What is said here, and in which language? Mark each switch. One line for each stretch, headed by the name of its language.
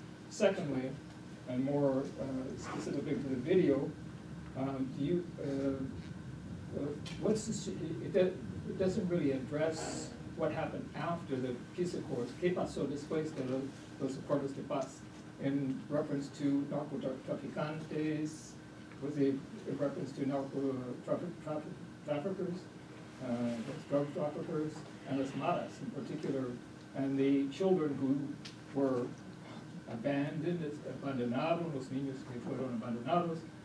English: Secondly, and more specifically to the video, it doesn't really address what happened after the peace accords.
Spanish: ¿Qué pasó después de los acuerdos de paz?
English: In reference to narcotraficantes, was it in reference to narco traffickers, drug traffickers, and las maras in particular, and the children who were abandonados,
Spanish: los niños que fueron abandonados?